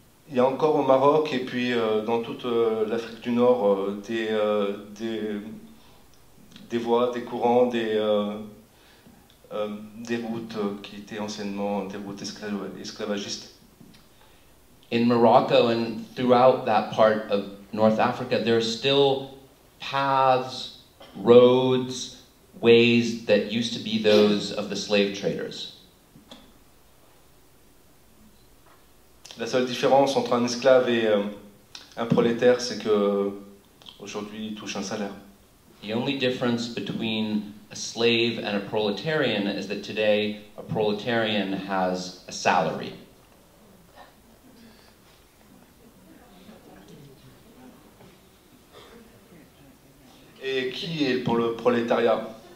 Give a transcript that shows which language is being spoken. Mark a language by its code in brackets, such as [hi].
[fr] Il y a encore au Maroc et puis dans toute l'Afrique du Nord des voies, des courants, des routes qui étaient anciennement des routes esclavagistes. [en] In Morocco and throughout that part of North Africa, there are still paths, roads, ways that used to be those of the slave traders. [fr] La seule différence entre un esclave et un prolétaire, c'est que aujourd'hui, il touche un salaire. [en] The only difference between a slave and a proletarian is that today, a proletarian has a salary. [fr] Et qui est pour le prolétariat?